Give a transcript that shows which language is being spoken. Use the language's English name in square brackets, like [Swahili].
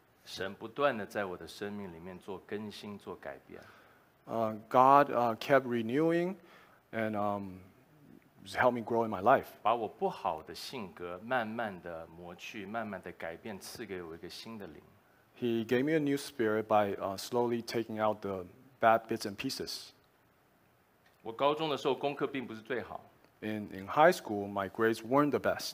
[Chinese] 神不断地在我的生命里面做更新，做改变。 [English] God kept renewing and helped me grow in my life. [Chinese] 把我不好的性格慢慢地磨去，慢慢地改变，赐给我一个新的灵。 [English] He gave me a new spirit by slowly taking out the bad bits and pieces. [Chinese] 我高中的时候功课并不是最好。 [English] In high school, my grades weren't the best.